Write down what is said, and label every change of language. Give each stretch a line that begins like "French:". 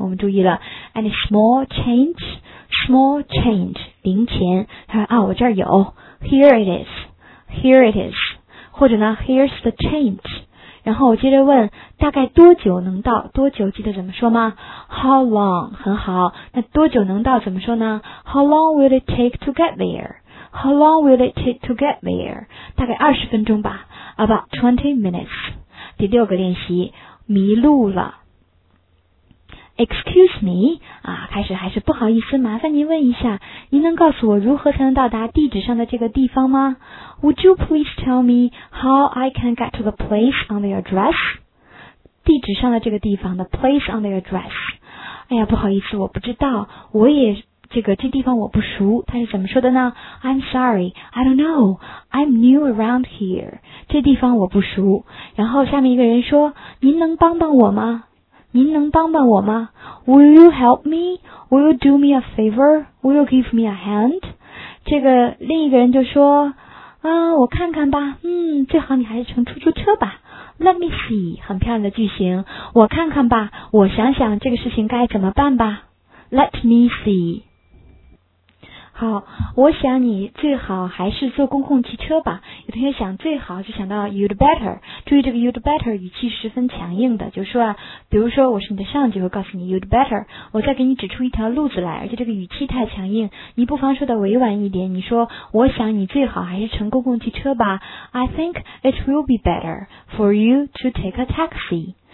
Chinese: 我们注意了
English: ，any small change? Small change, 零钱。
Chinese: 他说啊，我这儿有
English: ，here it is, here it is.
Chinese: 或者呢
English: ，here's the change.
Chinese: 然后我接着问，大概多久能到？多久记得怎么说吗？
English: How long?
Chinese: 很好。那多久能到怎么说呢？
English: How long will it take to get there? How long will it take to get there?
Chinese: 大概20分钟吧。
English: About 20 minutes.
Chinese: 第六个练习，迷路了。
English: Excuse me?
Chinese: 啊，开始还是不好意思，麻烦您问一下，您能告诉我如何才能到达地址上的这个地方吗？
English: Would you please tell me how I can get to the place on the address?
Chinese: 地址上的这个地方的
English: place on the address.
Chinese: 哎呀，不好意思，我不知道，我也这地方我不熟。他是怎么说的呢？
English: I'm sorry, I don't know, I'm new around here.
Chinese: 这地方我不熟。然后下面一个人说，您能帮帮我吗？您能帮帮我吗？
English: Will you help me? Will you do me a favor? Will you give me a hand?
Chinese: 这个另一个人就说，啊，我看看吧，最好你还是乘出租车吧。
English: Let me see,
Chinese: 很漂亮的句型。我看看吧，我想想这个事情该怎么办吧。
English: Let me see.
Chinese: 好，我想你最好还是坐公共汽车吧。有同学想最好就想到 you'd better. 注意这个 you'd better 语气十分强硬的，就是说啊，比如说我是你的上级，会告诉你 you'd better. 我再给你指出一条路子来，而且这个语气太强硬，你不妨说的委婉一点。你说我想你最好还是乘公共汽车吧。
English: I think it will be better for you to take a taxi.